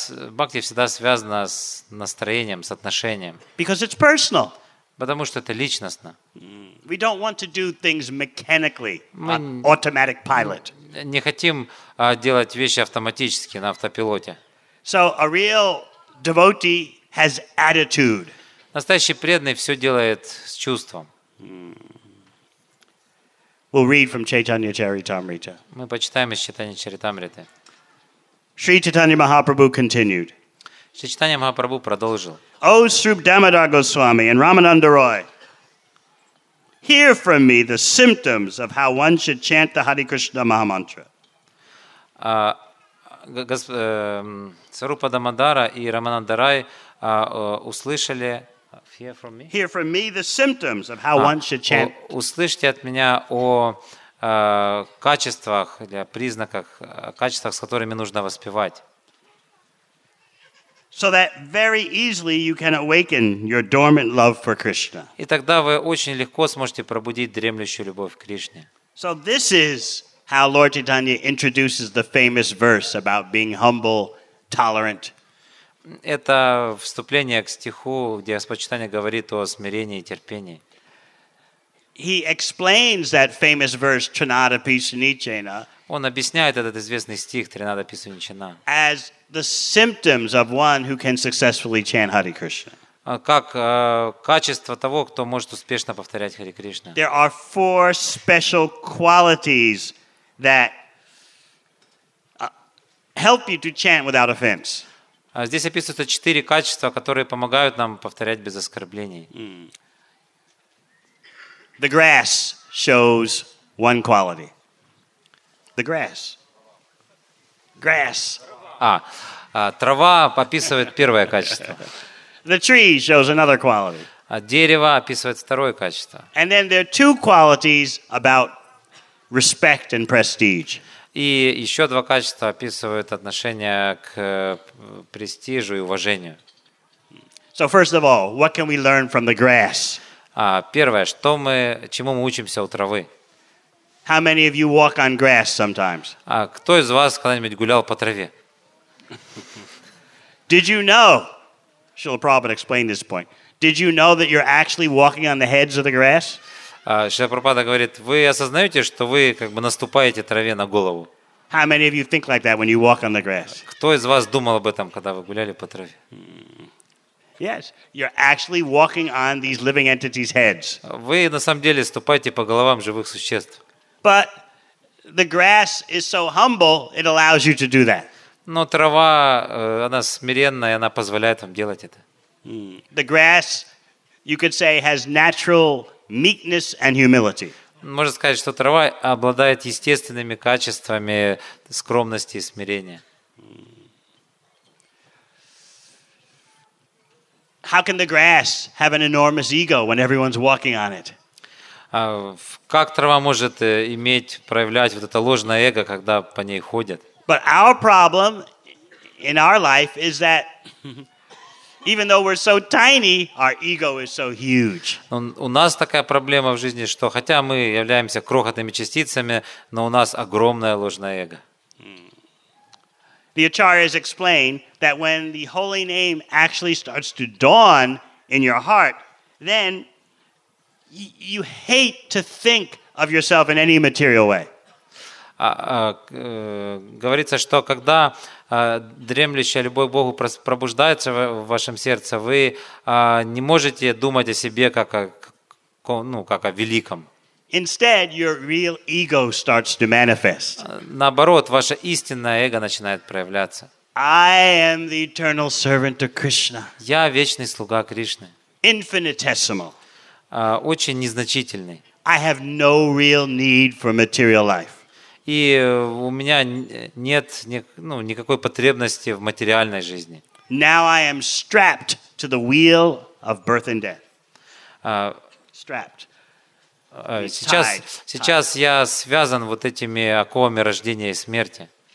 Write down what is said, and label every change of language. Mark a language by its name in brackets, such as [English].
[Russian] Bhakti всегда связана с настроением, с отношением. [English] Because it's personal. [Russian] Потому что это личностно. [English] We don't want to do things mechanically, on automatic pilot. [Russian] Не хотим делать вещи автоматически, на автопилоте. [English] So a real devotee has attitude. [Russian] Настоящий преданный все делает с чувством. [English] We'll read from Chaitanya Charitamrita. [Russian] Мы почитаем из Чайтаньи Чаритамриты. [English] Sri Chaitanya Mahaprabhu continued. [Russian] Шри Чайтанья Махапрабху продолжил. [English] O Srup Damodar Goswami and Ramananda Roy, hear from me the symptoms of how one should chant the Hare Krishna Maha Mantra. [Russian] Srupa Damodara и Рамананда Рай услышали. [English] Hear from me the symptoms of how one should chant. [Russian] Услышьте от меня о качествах или о признаках, качествах, с которыми нужно воспевать. [English] So that very easily you can awaken your dormant love for Krishna. [Russian] И тогда вы очень легко сможете пробудить дремлющую любовь к Кришне. [English] So this is how Lord Chaitanya introduces the famous verse about being humble, tolerant. [Russian] Это вступление к стиху, где Господь Чайтанья говорит о смирении и терпении. [English] He explains that famous verse Trinada Pisunichena. [Russian] Он объясняет этот известный стих Тринада Писуничина. [English] As the symptoms of one who can successfully chant Hare Krishna. [Russian] Как качество того, кто может успешно повторять Хари Кришна. [English] There are four special qualities that help you to chant without offense. [Russian] Здесь описываются четыре качества, которые помогают нам повторять без оскорблений. [English] The grass shows one quality. The grass. Grass. [Russian] Трава описывает первое качество. [English] The tree shows another quality. [Russian] Дерево описывает второе качество. [English] And then there are two qualities about respect and prestige. [Russian] И еще два качества описывают отношение к престижу и уважению. [English] So first of all, what can we learn from the grass? [Russian] Первое, чему мы учимся у травы? [English] How many of you walk on grass sometimes? [Russian] Кто из вас когда-нибудь гулял по траве? [English] Did you know? Srila Prabhupada explained this point. Did you know that you're actually walking on the heads of the grass? [Russian] Srila Prabhupada говорит, вы осознаете, что вы как бы наступаете траве на голову? [English] How many of you think like that when you walk on the grass? [Russian] Кто из вас думал об этом, когда вы гуляли по траве? [English] Yes, you're actually walking on these living entities' heads. [Russian] Вы на самом деле ступаете по головам живых существ. [English] But the grass is so humble, it allows you to do that. [Russian] Но трава, она смиренная, она позволяет вам делать это. [English] The grass, you could say, has natural meekness and humility. [Russian] Можно сказать, что трава обладает естественными качествами скромности и смирения. [English] How can the grass have an enormous ego when everyone's walking on it? [Russian] Как трава может иметь, проявлять вот это ложное эго, когда по ней ходят? [English] But our problem in our life is that even though we're so tiny, our ego is so huge. [Russian] У нас такая проблема в жизни, что хотя мы являемся крохотными частицами, но у нас огромное ложное эго. [English] The Acharyas explain that when the holy name actually starts to dawn in your heart, then you hate to think of yourself in any material way. [Russian] Говорится, что когда дремлющая любовь к Богу пробуждается в вашем сердце, вы не можете думать о себе как о великом. [English] Instead, your real ego starts to manifest. [Russian] Наоборот, ваше истинное эго начинает проявляться. [English] I am the eternal servant of Krishna. [Russian] Я вечный слуга Кришны. [English] Infinitesimal. [Russian] Очень незначительный. [English] I have no real need for material life. [Russian] И у меня нет никакой потребности в материальной жизни. [English] Now I am strapped to the wheel of birth and death. [Russian] Сейчас я связан вот этими оковами рождения и смерти.